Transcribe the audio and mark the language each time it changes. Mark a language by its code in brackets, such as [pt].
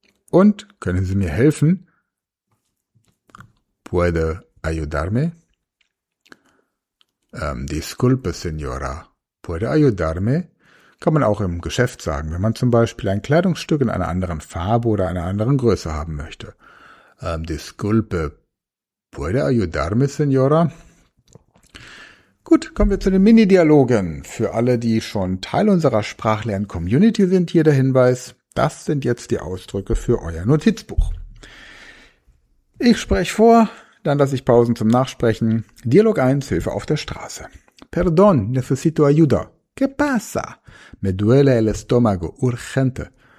[de] Und können Sie mir helfen? [es] Puede ayudarme? Disculpe, señora. Puede ayudarme? [de] Kann man auch im Geschäft sagen, wenn man zum Beispiel ein Kleidungsstück in einer anderen Farbe oder einer anderen Größe haben möchte. [es] Disculpe, puede ayudarme, señora? [de] Gut, kommen wir zu den Mini-Dialogen. Für alle, die schon Teil unserer Sprachlern-Community sind, hier der Hinweis, das sind jetzt die Ausdrücke für euer Notizbuch. Ich spreche vor, dann lasse ich Pausen zum Nachsprechen. Dialog 1, Hilfe auf der Straße. [es] Perdón, necesito ayuda. ¿Qué pasa? Me duele el estómago, urgente.